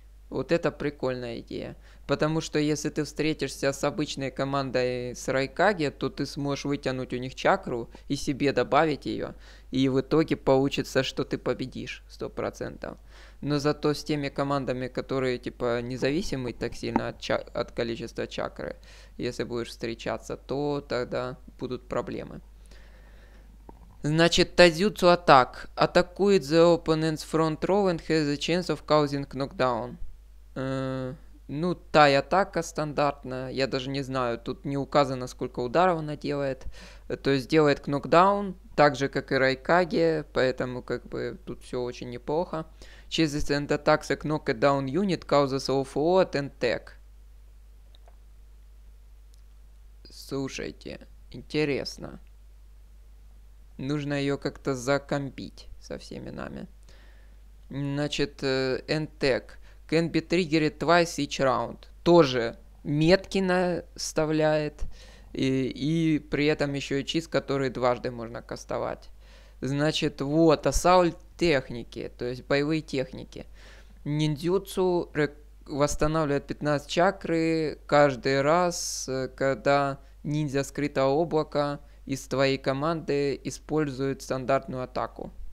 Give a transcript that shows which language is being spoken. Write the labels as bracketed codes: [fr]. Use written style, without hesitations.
[ru] Вот это прикольная идея. Потому что если ты встретишься с обычной командой с Райкаги, то ты сможешь вытянуть у них чакру и себе добавить ее. И в итоге получится, что ты победишь 100%. Но зато с теми командами, которые типа независимы так сильно от количества чакры, если будешь встречаться, то тогда будут проблемы. Значит, [en] Taijutsu Attack. [ru] Атакует [en] the opponent's front row and has a chance of causing knockdown. [ru] Ну, тай-атака стандартная, я даже не знаю, тут не указано, сколько ударов она делает. То есть делает кнокдаун, так же, как и Райкаги, поэтому как бы тут все очень неплохо. [en] chases and attacks a knockdown unit, causes overflow at attack. [ru] Слушайте, интересно. Нужно ее как-то закомпить со всеми нами. Значит, [en] attack can be triggered twice each round. [ru] Тоже метки наставляет. И при этом еще и чист, который дважды можно кастовать. Значит, вот, ассаульт техники, то есть боевые техники. Ниндзюцу восстанавливает 15 чакры каждый раз, когда ниндзя скрытого облака из твоей команды использует стандартную атаку.